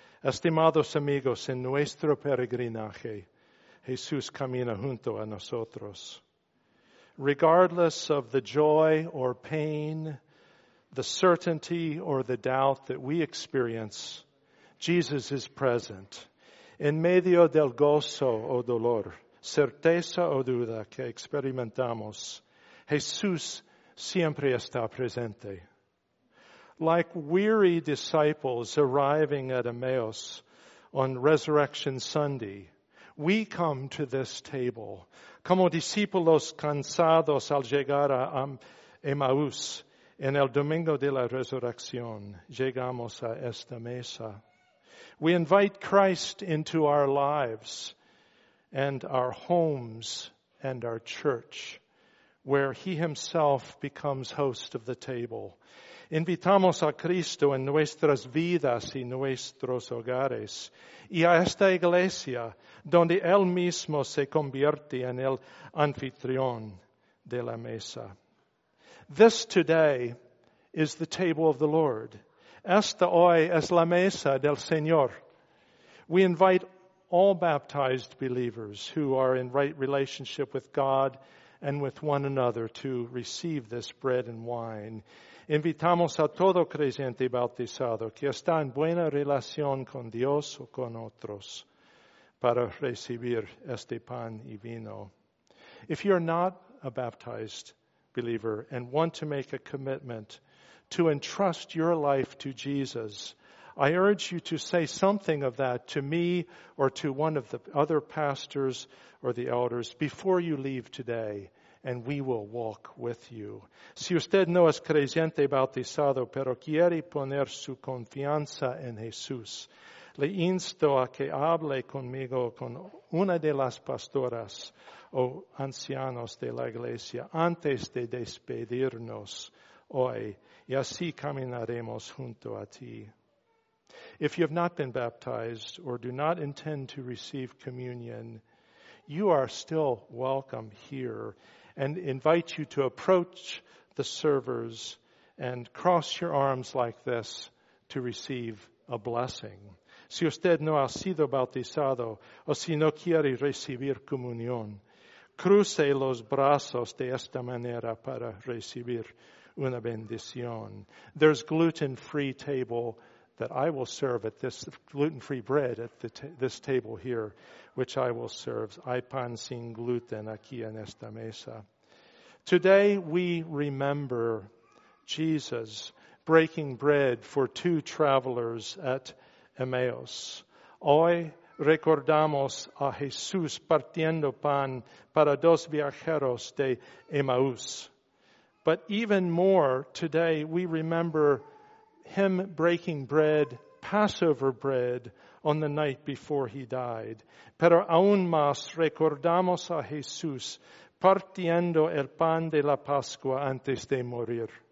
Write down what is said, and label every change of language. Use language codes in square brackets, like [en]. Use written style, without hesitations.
[es] Estimados amigos, en nuestro peregrinaje, Jesús camina junto a nosotros. [en] Regardless of the joy or pain, the certainty or the doubt that we experience, Jesus is present. [es] En medio del gozo o dolor, certeza o duda que experimentamos, Jesús siempre está presente. [en] Like weary disciples arriving at Emmaus on Resurrection Sunday, we come to this table [es] como discípulos cansados al llegar a Emaús en el domingo de la resurrección, llegamos a esta mesa. [en] We invite Christ into our lives and our homes and our church, where he himself becomes host of the table. [es] Invitamos a Cristo en nuestras vidas y nuestros hogares, y a esta iglesia, donde él mismo se convierte en el anfitrión de la mesa. [en] This today is the table of the Lord. [es] Esta hoy es la mesa del Señor. [en] We invite all baptized believers who are in right relationship with God and with one another to receive this bread and wine. [es] Invitamos a todo creyente bautizado que está en buena relación con Dios o con otros para recibir este pan y vino. [en] If you're not a baptized believer and want to make a commitment to entrust your life to Jesus, I urge you to say something of that to me or to one of the other pastors or the elders before you leave today, and we will walk with you. [es] Si usted no es creyente bautizado, pero quiere poner su confianza en Jesús, le insto a que hable conmigo, con una de las pastoras o ancianos de la iglesia, antes de despedirnos hoy, y así caminaremos junto a ti. [en] If you have not been baptized or do not intend to receive communion, you are still welcome here, and invite you to approach the servers and cross your arms like this to receive a blessing. [es] Si usted no ha sido bautizado o si no quiere recibir comunión, cruce los brazos de esta manera para recibir una bendición. [en] There's gluten-free table that I will serve at this, gluten-free bread at this table here, which I will serve. [es] Hay pan sin gluten aquí en esta mesa. [en] Today we remember Jesus breaking bread for two travelers at Emmaus. [es] Hoy recordamos a Jesús partiendo pan para dos viajeros de Emmaus. [en] But even more, today we remember him breaking bread, Passover bread, on the night before he died. [es] Pero aún más recordamos a Jesús partiendo el pan de la Pascua antes de morir.